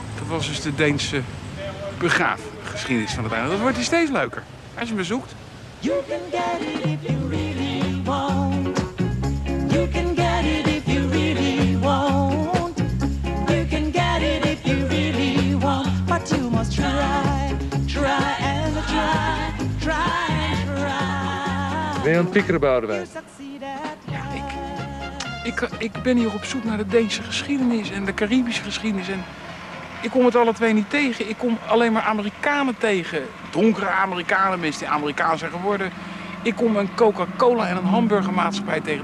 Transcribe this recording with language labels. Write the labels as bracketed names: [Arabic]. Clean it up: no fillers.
[Dutch] Dat is de Deense begraafgeschiedenis van het eiland. Dat wordt hier steeds leuker als je me zoekt. [English] You can get it if you really want. You can get it if you really want. You can get it if you really want. But you must try, try and try, try and try. [Dutch] Ben je aan het pikkeren, Boudewijn? Ja, ik ben hier op zoek naar de Deense geschiedenis en de Caribische geschiedenis. En ik kom het alle twee niet tegen. Ik kom alleen maar Amerikanen tegen. Donkere Amerikanen, mensen die Amerikaan zijn geworden. Ik kom een Coca-Cola en een hamburgermaatschappij tegen.